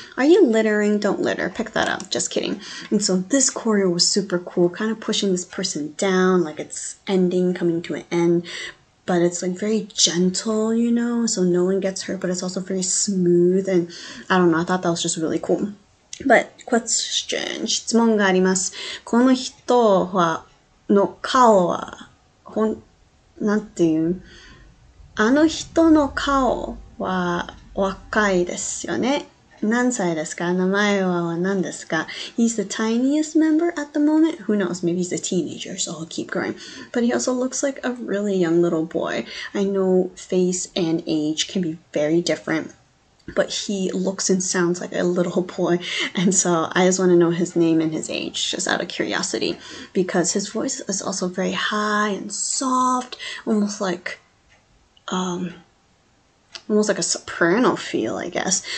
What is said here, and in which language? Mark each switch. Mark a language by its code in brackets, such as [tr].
[en] Are you littering? Don't litter. Pick that up. Just kidding. And so this choreo was super cool, kind of pushing this person down, like it's ending, coming to an end, but it's like very gentle, you know, so no one gets hurt, but it's also very smooth, and I don't know, I thought that was just really cool. But question, [ja] 質問があります。この人は、の顔は、なんていう? あの人の顔は若いですよね。何歳ですか?名前は何ですか? [en] He's the tiniest member at the moment. Who knows? Maybe he's a teenager, so he'll keep growing. But he also looks like a really young little boy. I know face and age can be very different. But he looks and sounds like a little boy, and so I just want to know his name and his age, just out of curiosity, because his voice is also very high and soft, almost like a soprano feel, I guess.